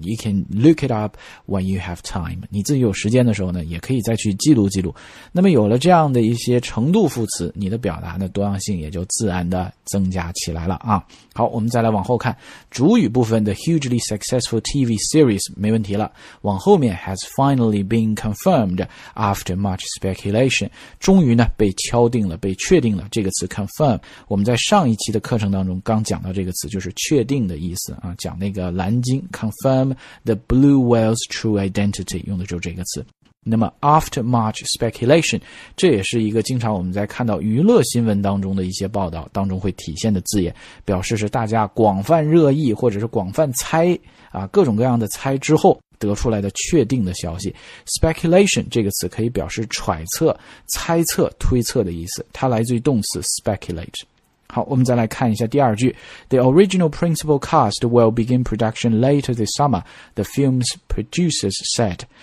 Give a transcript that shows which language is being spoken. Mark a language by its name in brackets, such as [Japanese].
[English] You can look it up when you have time. [Chinese] 你自己有时间的时候呢，也可以再去记录记录。那么有了这样的一些程度副词，你的表达的多样性也就自然的增加起来了啊。好，我们再来往后看主语部分的 [English] hugely successful TV series [Chinese] 没问题了，往后面 [English] has finally been confirmed after much speculation， [Chinese] 终于呢被敲定了，被确定了。这个词 confirm 我们在上一期的课程当中刚讲到，这个词就是确定的意思啊，讲那个蓝鲸 [English] confirm the blue whale's true identity [Chinese] 用的就是这个词。那么 [English] after much speculation， [Chinese] 这也是一个经常我们在看到娱乐新闻当中的一些报道当中会体现的字眼，表示是大家广泛热议或者是广泛猜啊，各种各样的猜之后得出来的确定的消息。 speculation 这个词可以表示揣测、猜测、推测的意思，它来自于动词 speculate。好，我们再来看一下第二句。 [English] The original principal cast will begin production later this summer, the film's producers said.